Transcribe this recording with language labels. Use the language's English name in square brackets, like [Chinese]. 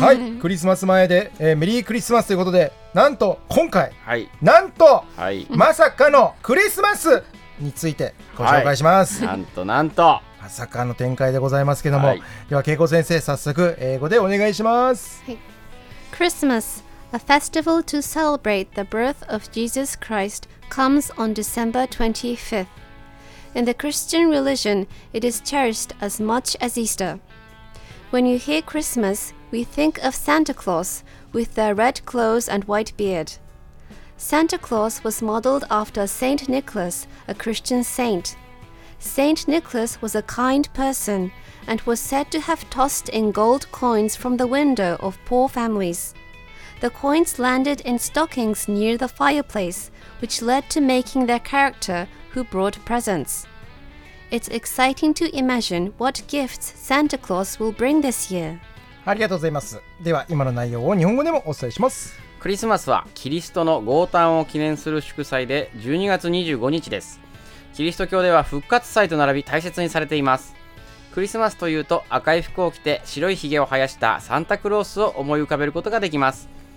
[Japanese] はい、クリスマス前で、メリークリスマスということで、なんと今回、はい、なんと、はい、まさかのクリスマスについてご紹介します、はい、なんとなんとまさかの展開でございますけども、はい、では恵子先生、早速英語でお願いします。 [English] クリスマス、A festival to celebrate the birth of Jesus Christ comes on December 25th. In the Christian religion, it is cherished as much as Easter. When you hear Christmas, we think of Santa Claus with their red clothes and white beard. Santa Claus was modeled after Saint Nicholas, a Christian saint. Saint Nicholas was a kind person and was said to have tossed in gold coins from the window of poor families. The coins landed in stockings near the fireplace, which led to making their character who brought presents. It's exciting to imagine what gifts Santa Claus will bring this year. [Japanese] ありがとうございます。では今の内容を日本語でもお伝えします。クリスマスはキリストの降誕を記念する祝祭で12月25日です。キリスト教では復活祭と並び大切にされています。クリスマスというと赤い服を着て白いひげを生やしたサンタクロースを思い浮かべることができます。